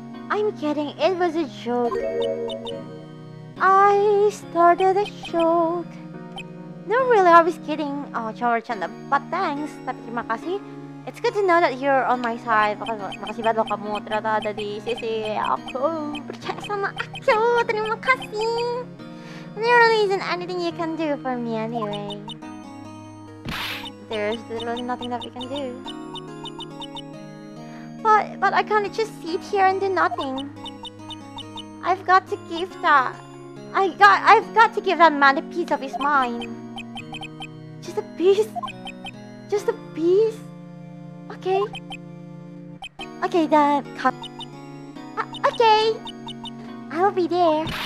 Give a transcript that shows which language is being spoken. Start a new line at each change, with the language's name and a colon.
English: I'm kidding. It was a joke. I started a joke. No, really. I was kidding.
Indonesian: Oh, cowok canda.
English: But thanks.
Indonesian: Tapi terima kasih.
English: It's good to know that you're on my side.
Indonesian: Makasih banget lo kamu ternyata ada di sisi aku. Percaya sama aku. Terima kasih.
English: There really isn't anything you can do for me anyway. There's literally nothing that we can do. But I can't just sit here and do nothing. I've got to give that man a piece of his mind. Just a piece. Just a piece. Okay. Okay then. Okay. I'll be there.